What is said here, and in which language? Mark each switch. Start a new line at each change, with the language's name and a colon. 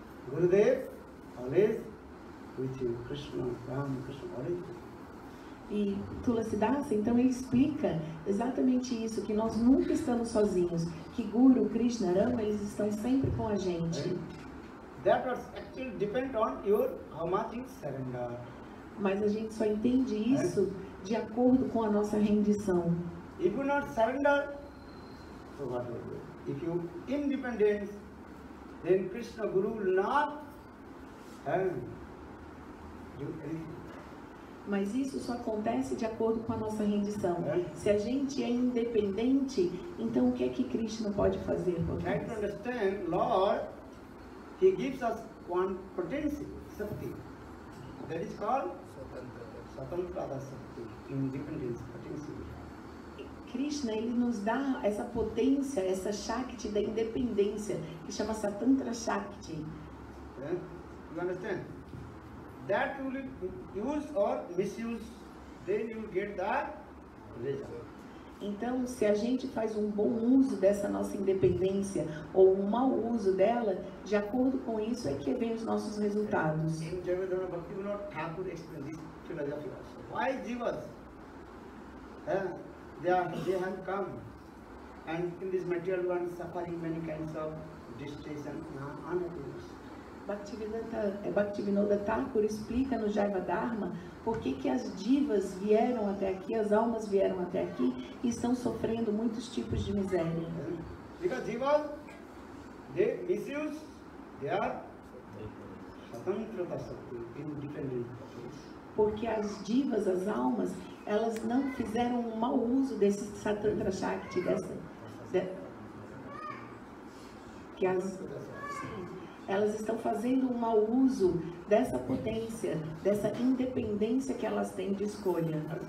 English: Gurudev, always with you, Krishna, Ram, Krishna, all right?
Portuguese: E Tulasidas, então, ele explica exatamente isso, que nós nunca estamos sozinhos, que Guru, Krishna, Rama, eles estão sempre com a gente.
English: That was actually depend on your how much you surrender.
Portuguese: Mas a gente só entende isso de acordo com a nossa rendição.
English: If you not surrender, so what will you do? If you independence, then Krishna Guru will not do anything.
Portuguese: Mas isso só acontece de acordo com a nossa rendição. Se a gente é independente, então o que é que Krishna pode fazer por nós?
English: Try to understand, Lord, He gives us one potency, Shakti. That is called Satantrata Shakti, independence, potency.
Portuguese: Krishna, Ele nos dá essa potência, essa Shakti da independência, que chama Satantra Shakti.
English: You understand? That you will use or misuse, then you will get the result.
Portuguese: Então, se a gente faz um bom uso dessa nossa independência ou um mau uso dela, de acordo com isso é que vem os nossos resultados.
English: In Jagadana Bhakti, you know, Thakur explains this philosophy also. Why jivas? They have come and in this material world suffering many kinds of distress and unhappiness.
Portuguese: Bhaktivinoda Thakur explica no Jaiva Dharma por que que as divas vieram até aqui, as almas vieram até aqui e estão sofrendo muitos tipos de miséria.
English: Because divas, they misuse, they are satantra pasati, independent pasati.
Portuguese: Porque as divas, as almas, elas não fizeram um mau uso desse satantra shakti, dessa... Elas estão fazendo um mau uso dessa potência, dessa independência que elas têm de escolha.